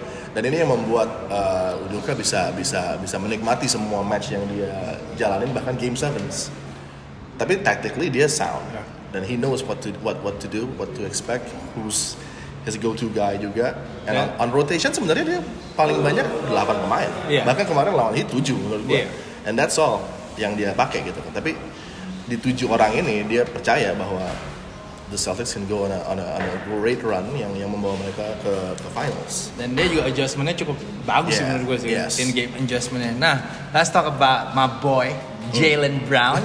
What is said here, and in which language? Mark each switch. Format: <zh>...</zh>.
<id>Dan ini yang membuat Udoka bisa menikmati semua match yang dia jalanin, bahkan game 7s. Tapi tactically dia sound.</id> <en>Dan he knows what to do, what to expect, who's his go-to guy juga. And on rotation</en> <id>sebenarnya dia paling banyak 8 pemain. Bahkan kemarin lawan Heat 7 menurut gue.</id> <en>And that's all</en> <id>yang dia pakai gitu. Tapi di 7 orang ini dia percaya bahwa</id> <en>the Celtics can go on a great run</en> <id>yang membawa mereka ke finals. Dan dia juga adjustment-nya cukup bagus sih menurut gue sih.</id> <en>Yes.</en> <id>In-game adjustment-nya.</id> <en>Nah, let's talk about my boy, Jaylen Brown.</en>